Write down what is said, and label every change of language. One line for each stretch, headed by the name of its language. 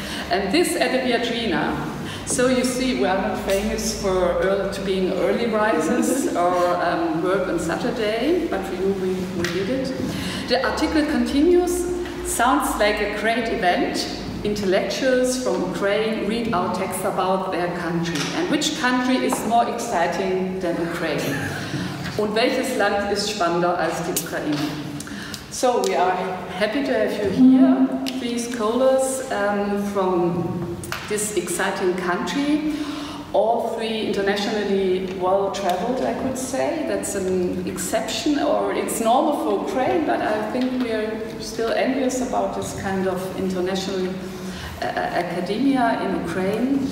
English: And this at the Viadrina. So you see, we are not famous for being early risers or work on Saturday, but for you, we did it. The article continues, sounds like a great event. Intellectuals from Ukraine read our text about their country. And which country is more exciting than Ukraine?
German: Und welches Land ist spannender als die Ukraine?
English: So we are happy to have you here, three scholars from this exciting country. All three internationally well traveled, I could say. That's an exception, or it's normal for Ukraine, but I think we are still envious about this kind of international academia in Ukraine.